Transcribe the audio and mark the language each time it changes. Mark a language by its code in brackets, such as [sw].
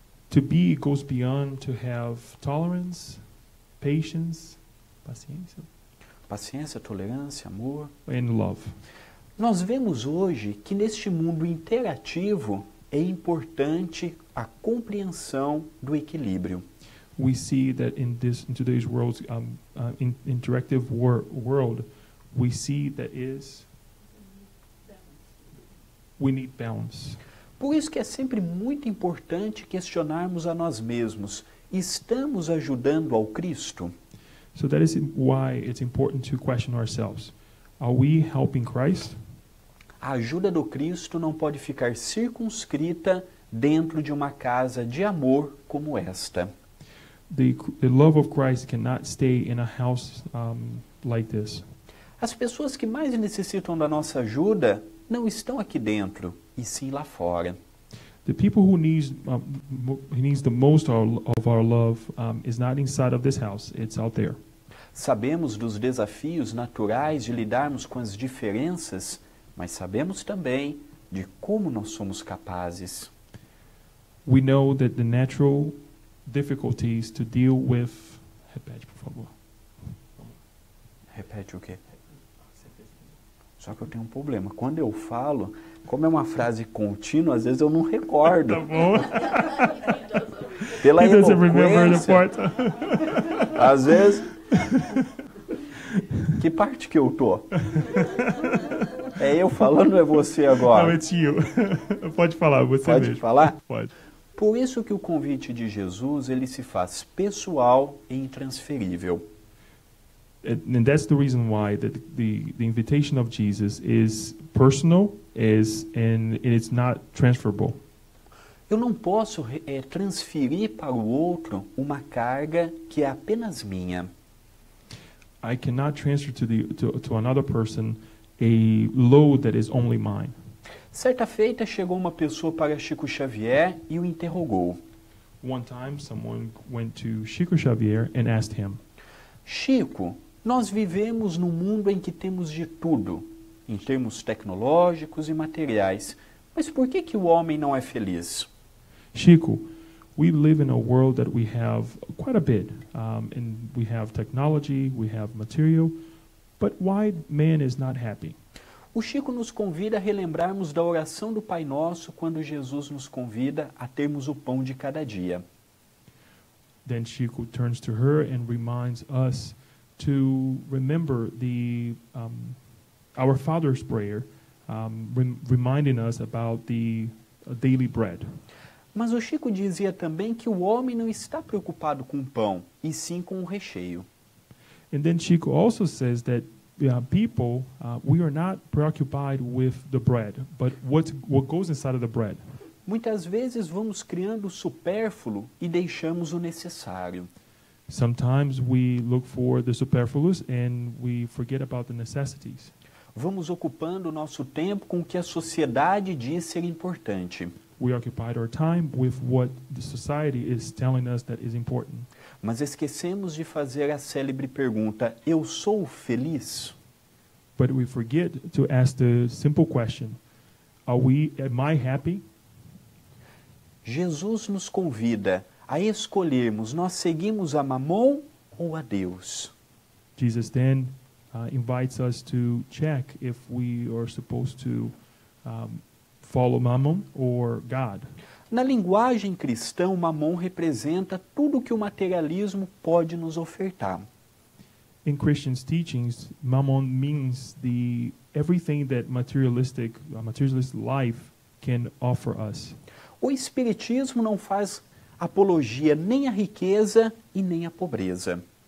[en] To be goes beyond to have tolerance, patience, paciência. [pt] Paciência, tolerância, amor. [en] And love. [pt] Nós vemos hoje que neste mundo interativo é importante a compreensão do equilíbrio. [en] We see that in today's interactive world, we see that is we need balance. [pt] Por isso que é sempre muito importante questionarmos a nós mesmos: estamos ajudando ao Cristo? [en] So that is why it's important to question ourselves: are we helping Christ? [pt] A ajuda do Cristo não pode ficar circunscrita dentro de uma casa de amor como esta. [en] The love of Christ cannot stay in a house like this. [pt] As pessoas que mais necessitam da nossa ajuda não estão aqui dentro, e sim lá fora. [en] The people who needs the most of our love is not inside of this house, it's out there. [pt] Sabemos dos desafios naturais de lidarmos com as diferenças, mas sabemos também de como nós somos capazes. [en] We know that the natural difficulties to deal with. [pt] Repete, por favor. Repete o quê? Só que eu tenho um problema. Quando eu falo, como é uma frase contínua, às vezes eu não recordo. Tá bom. Pela [en] eloquência. He doesn't remember the part. [pt] Às vezes. Que parte que eu tô? É eu falando ou é você agora? Não, [en] it's you. [pt] Pode falar, você pode mesmo. Pode falar? Pode. Por isso que o convite de Jesus, ele se faz pessoal e intransferível. [en] And that's the reason why that the invitation of Jesus is personal, is and it's not transferable. [pt] Eu não posso transferir para o outro uma carga que é apenas minha. [en] I cannot transfer to another person a load that is only mine. [pt] Certa feita, chegou uma pessoa para Chico Xavier e o interrogou. [en] One time, someone went to Chico Xavier and asked him. [pt] Chico, nós vivemos num mundo em que temos de tudo, em termos tecnológicos e materiais. Mas por que que o homem não é feliz? [en] Chico, we live in a world that we have quite a bit. And we have technology, we have material. But why man is not happy? [pt] O Chico nos convida a relembrarmos da oração do Pai Nosso quando Jesus nos convida a termos o pão de cada dia. [en] Then Chico turns to her and reminds us to remember the our Father's prayer, reminding us about the daily bread. [pt] Mas o Chico dizia também que o homem não está preocupado com o pão, e sim com o recheio. [en] And then Chico also says that we are not preoccupied with the bread, but what goes inside of the bread. [pt] Muitas vezes vamos criando o supérfluo e deixamos o necessário. [en] Sometimes we look for the superfluous and we forget about the necessities. [pt] Vamos ocupando o nosso tempo com o que a sociedade diz ser importante. [en] We occupy our time with what the society is telling us that is important. [pt] Mas esquecemos de fazer a célebre pergunta: eu sou feliz? [en] But we forget to ask the simple question: Am I happy? [pt] Jesus nos convida a escolhermos, nós seguimos a Mamom ou a Deus? [en] Jesus then invites us to check if we are supposed to follow Mamom or God. [pt] Na linguagem cristã, Mamom representa tudo que o materialismo pode nos ofertar. [en] In Christian's teachings, Mamom means the everything that materialistic life can offer us. [pt] O Espiritismo não faz apologia nem à riqueza e nem à pobreza.